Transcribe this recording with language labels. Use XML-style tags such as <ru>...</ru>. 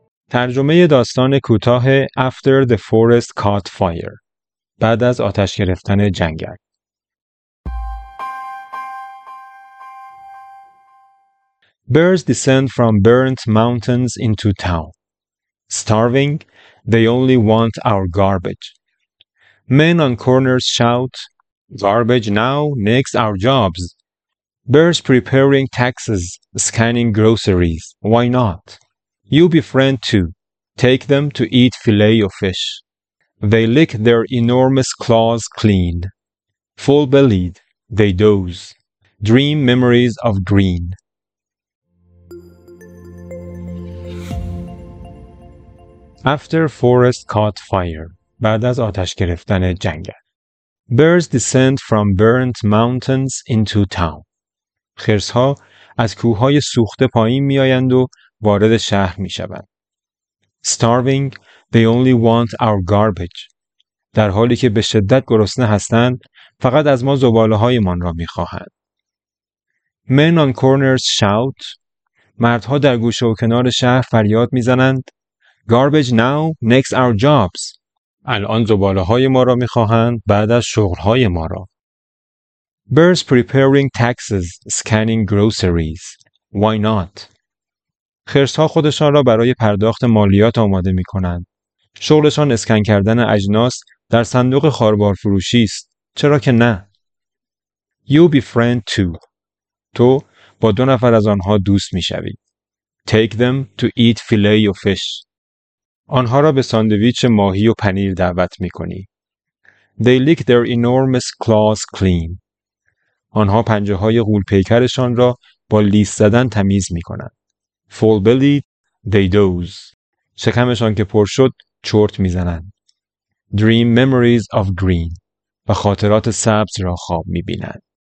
<fa>ترجمه داستان کوتاه</fa> <en>After the Forest Caught Fire،</en> <fa>بعد از آتش گرفتن جنگل.</fa> <en>Bears descend from burnt mountains into town. Starving, they only want our garbage. Men on corners shout, garbage now, next our jobs. Bears preparing taxes, scanning groceries, why not? You befriend too. Take them to eat fillet of fish. They lick their enormous claws clean. Full-bellied, they doze. Dream memories of green. After forest caught fire.</en> <fa>بعد از آتش گرفتن جنگل.</fa> <en>Bears descend from burnt mountains into town.</en> <fa>خرس‌ها از کوه‌های سوخته پایین می‌آیند و وارد شهر می‌شوند.</fa> <en>Starving, they only want our garbage.</en> <fa>در حالی که به شدت گرسنه هستند، فقط از ما زباله‌هایمان را می‌خواهند.</fa> <en>Men on corners shout.</en> <fa>مردها در گوشه و کنار شهر فریاد می‌زنند.</fa> <en>Garbage now, next our jobs.</en> <fa>الان زباله‌های ما را می‌خواهند، بعد از شغل‌های ما را.</fa> <en>Bears preparing taxes, scanning groceries. Why not?</en> <fa>خرس‌ها خودشان را برای پرداخت مالیات آماده می‌کنند. شغلشان اسکن کردن اجناس در صندوق خاربار فروشی است. چرا که نه؟</fa> <en>You befriend two.</en> <fa>تو با دو نفر از آنها دوست می‌شوی.</fa> <en>Take them to eat fillet of fish.</en> <fa>آنها را به ساندویچ ماهی و پنیر دعوت می‌کنی.</fa> <en>They lick their enormous claws clean.</en> <fa>آنها پنجه‌های غول‌پیکرشان را با لیس زدن تمیز می‌کنند.</fa> <en>Full bellied, they doze.</en> <fa>شکمشان که پر شد، چرت می‌زنند.</fa> <en>Dream memories of green.</en> <fa>و خاطرات سبز را خواب می‌بینند.</fa>